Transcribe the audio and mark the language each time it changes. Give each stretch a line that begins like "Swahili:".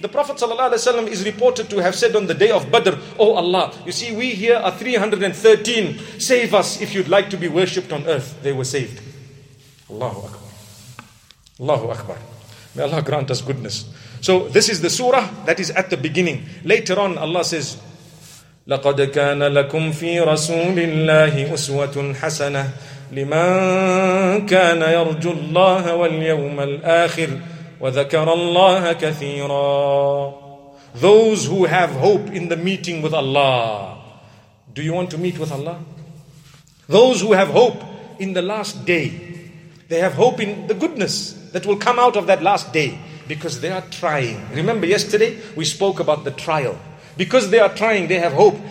English: The Prophet ﷺ is reported to have said on the day of Badr, oh Allah, you see, we here are 313. Save us if you'd like to be worshipped on earth. They were saved. Allahu Akbar. Allahu Akbar. May Allah grant us goodness. So this is the surah that is at the beginning. Later on, Allah says,
Arabic: لقد كان لكم في رسول الله أسوة حسنة لمن كان يرجو الله واليوم الآخر وذكر الله كثيرا.
English: Those who have hope in the meeting with Allah. Do you want to meet with Allah? Those who have hope in the last day. They have hope in the goodness that will come out of that last day because they are trying. Remember yesterday we spoke about the trial. Because they are trying, they have hope.